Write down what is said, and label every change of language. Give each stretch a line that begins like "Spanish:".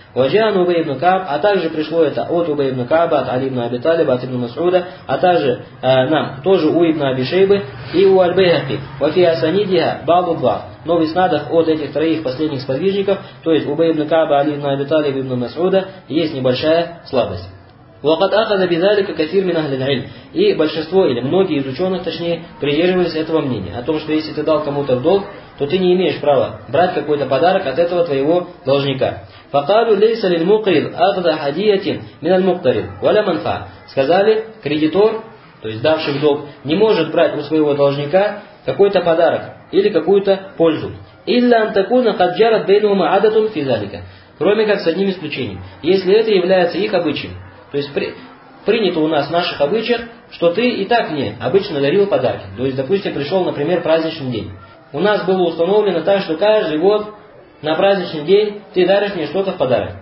Arabic: وجاء عن
Russian: Убей ибн Кааб. А также пришло это от Убей ибн Кааба, от Али ибн Аби Талиба, от ибн Масуда. А также нам тоже у ибн Аби Шейбы и у Аль-Байхаки.
Arabic: وفي أسانيدها بعض الضعف.
Russian: Но в иснадах от этих троих последних сподвижников, то есть Убей ибн Кааба, Али ибн Аби Талиба, ибн Масуда, есть небольшая слабость.
Arabic: وقد أخذ بذلك كثير من أهل العلم.
Russian: И большинство, или многие из ученых, точнее, придерживались этого мнения. О том, что если ты дал кому-то в долг, то ты не имеешь права брать какой-то подарок от этого твоего должника.
Arabic: فقالوا ليس للمقرض أخذ هدية من المقترض ولا منفعة.
Russian: Сказали, кредитор, то есть давший в долг, не может брать у своего должника какой-то подарок или какую-то пользу.
Arabic: إلا أن تكون قد جرت بينهما عادة في ذلك.
Russian: Кроме как с одним исключением. Если это является их обычаем. То есть принято у нас в наших обычаях, что ты и так мне обычно дарил подарки. То есть, допустим, пришел, например, праздничный день. У нас было установлено так, что каждый год на праздничный день ты даришь мне что-то в подарок.